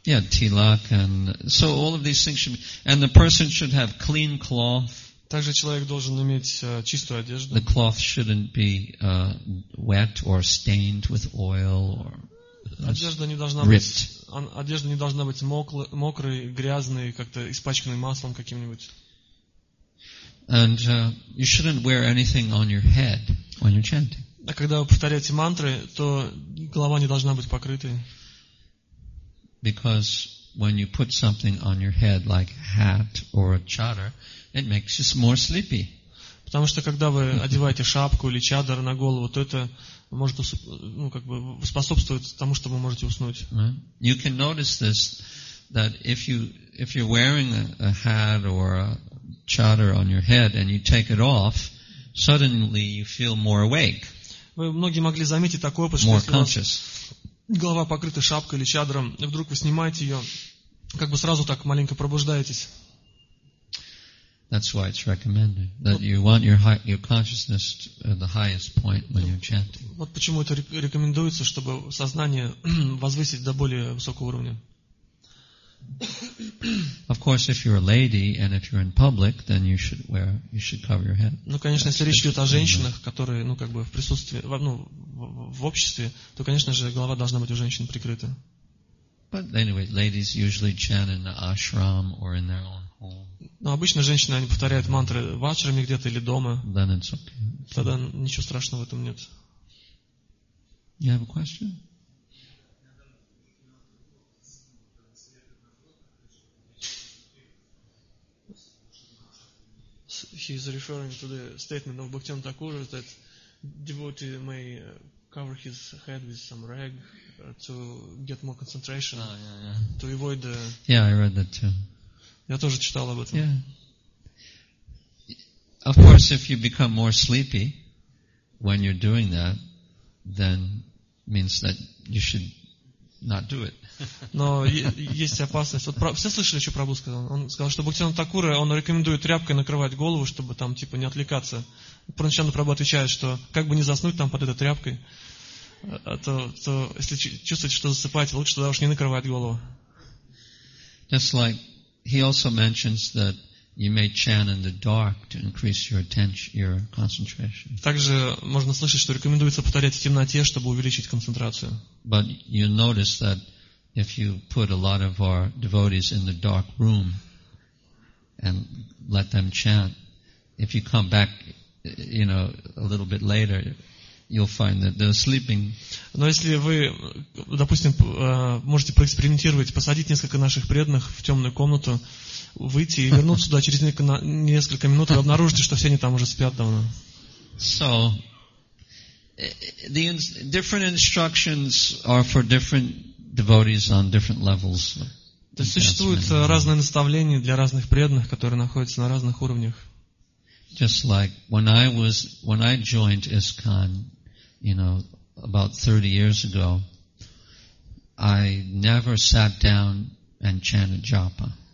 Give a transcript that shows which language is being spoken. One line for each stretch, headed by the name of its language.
English: Tilak and so all of these things should be, and the person should have clean cloth.
Russian: Также человек должен иметь чистую одежду.
English: The cloth shouldn't be wet or stained with oil or ripped.
Russian: Одежда не должна быть мокрой, грязной, как-то испачканной маслом каким-нибудь.
English: And you shouldn't wear anything on your head when you're chanting.
Russian: А когда вы повторяете мантры, то голова не должна быть покрытой.
English: Because when you put something on your head, like a hat or a chadar, it makes you more sleepy.
Russian: Потому что когда вы одеваете шапку или чадар на голову, то это может способствует тому, что вы можете уснуть.
English: You can notice this that if you're wearing a hat or a chadar on your head and you take it off, suddenly you feel more awake.
Russian: Вы многие могли заметить такой опыт, что если у вас голова покрыта шапкой или чадром, и вдруг вы снимаете ее, как бы сразу так маленько пробуждаетесь.
English: That's why it's recommended that you want your consciousness at the highest point when you're chanting.
Russian: Вот почему это рекомендуется, чтобы сознание возвысить до более высокого уровня.
English: Of course, if you're a lady and if you're in public, then you should cover your head.
Russian: Ну, конечно, если речь идет о женщинах, которые, ну, как бы в присутствии, в обществе, то, конечно же, голова должна быть у женщин прикрыта.
English: But anyway, ladies usually chant in the ashram or in their own home.
Russian: Ну, обычно женщины они повторяют мантры в ашраме где-то или дома.
English: Then it's okay.
Russian: Тогда ничего страшного в этом нет.
English: You have a question? He's referring to the statement of Bhaktivinoda Thakur that devotee may cover his head with some rag to get more concentration, to avoid the... Yeah, I read that too.
Russian: Я тоже читал об этом.
English: Yeah. Of course, if you become more sleepy, when you're doing that, then means that you should not do it.
Russian: Но есть опасность. Вот все слышали, что Прабху сказал? Он сказал, что Бхактивинода Такура, он рекомендует тряпкой накрывать голову, чтобы там типа не отвлекаться. Пранишанда Прабху отвечает, что как бы не заснуть там под этой тряпкой, то если чувствовать, что засыпаете, лучше тогда уж не накрывать голову.
English: Just like he also mentions that you may chant in the dark to increase your attention, your concentration.
Russian: Также можно слышать, что рекомендуется повторять в темноте, чтобы увеличить концентрацию.
English: But you notice that if you put a lot of our devotees in the dark room and let them chant, if you come back, you know, a little bit later, you'll find that they're sleeping.
Russian: Но если вы, допустим, можете проэкспериментировать, посадить несколько наших преданных в темную комнату, выйти и вернуться туда через несколько минут, вы обнаружите, что все они там уже спят давно.
English: So, the different instructions are for different devotees on different levels.
Russian: То есть существуют разные наставления для разных преданных, которые находятся на разных уровнях.
English: Just like when I joined ISKCON, you know, about 30 years ago, I never sat down and chanted japa.